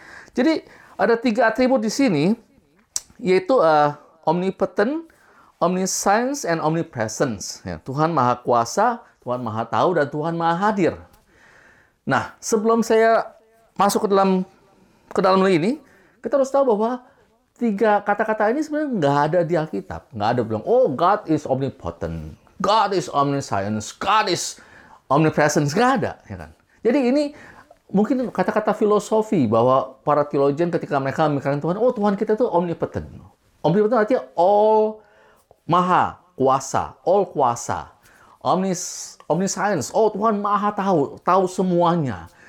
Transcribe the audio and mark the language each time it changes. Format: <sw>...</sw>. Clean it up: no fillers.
<id>Jadi ada tiga atribut di sini, yaitu omnipotent, omniscience, and omnipresence. Ya, Tuhan Maha Kuasa, Tuhan Maha Tahu, dan Tuhan Maha Hadir. Nah, sebelum saya masuk ke dalam hal ini, kita harus tahu bahwa tiga kata-kata ini sebenarnya nggak ada di Alkitab. Nggak ada bilang,</id> <en>oh, God is omnipotent, God is omniscience, God is omnipresence.</en> <id>Nggak ada, ya kan? Jadi ini mungkin kata-kata filosofi bahwa para teologian ketika mereka memikirkan Tuhan, oh, Tuhan kita itu omnipotent. Omnipotent artinya all maha kuasa, all kuasa. Omniscience, oh, Tuhan Maha Tahu, tahu semuanya.</id>